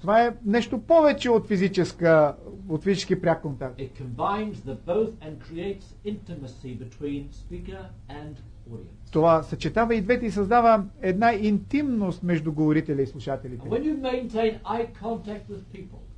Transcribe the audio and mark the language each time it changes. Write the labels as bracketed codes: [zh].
[bg] Това е нещо повече от физически пряк контакт. [en] It combines the both and creates intimacy between speaker and audience. [bg] Това съчетава и двете и създава една интимност между говорителя и слушателите. [en] And when you maintain eye contact with people,